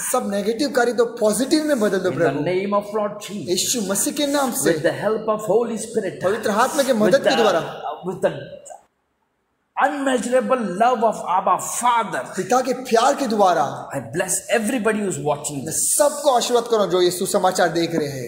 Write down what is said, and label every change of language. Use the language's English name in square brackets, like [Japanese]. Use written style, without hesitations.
[Hindi] सब नेगेटिव कार्य तो पॉजिटिव में बदल दो प्रभु. [English] In the name of Lord Jesus. [Hindi] यीशु मसीह के नाम से. [English] With the help of Holy Spirit. [Hindi] पवित्र आत्मा के मदद के द्वारा. [English] With the unmeasurable love of Abba Father. [Hindi] पिता के प्यार के द्वारा. [English] I bless everybody who's watching. [Hindi] मैं सबको आशीर्वाद करो जो ये सुसमाचार देख रहे हैं.